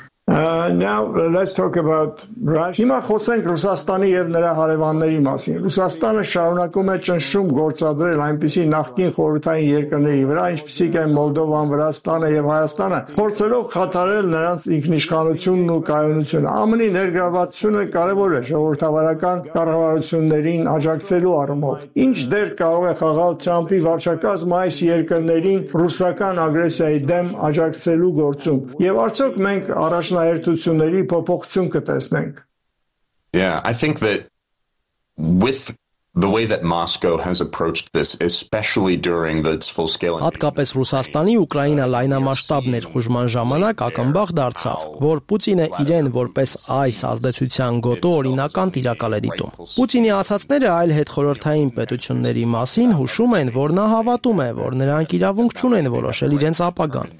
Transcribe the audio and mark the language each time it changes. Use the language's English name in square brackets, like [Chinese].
[Armenian] Հիմա խոսենք Ռուսաստանի եւ նրա հարևանների մասին։ Ռուսաստանը շարունակում է ճնշում գործադրել այնպիսի նախկին խորհրդային երկրների վրա, ինչպիսիք են Մոլդովան, Վրաստանը եւ Հայաստանը, փորձելով խաթարել նրանց ինքնիշխանությունն ու կայունությունը։ ԱՄՆ-ի ներգրավվածությունը կարևոր է ժողովրդավարական կառավարություններին աջակցելու առումով։ Ինչ դեր կարող է խաղալ Թրամփի վարչակազմը այս երկրներին ռուսական ագրեսիայի դեմ աջակցելու գործում, եւ արդյոք մենք առաջ հայերությունների փոփոխություն կտեսնենք։ [English] Yeah, I think that with the way that Moscow has approached this, especially during its full-scale [Armenian] invasion, հատկապես Ռուսաստանի Ուկրաինա լայնամասշտաբ ներխուժման ժամանակ ակնբախ դարձավ, որ Պուտինը իրեն որպես այս ազդեցության գոտու օրինական տիրակալ է դիտում։ Պուտինի ասացները այլ հետխորհրդային պետությունների մասին հուշում են, որ նա հավատում է, որ նրանք իրավունք ունեն որոշել իրենց ապագան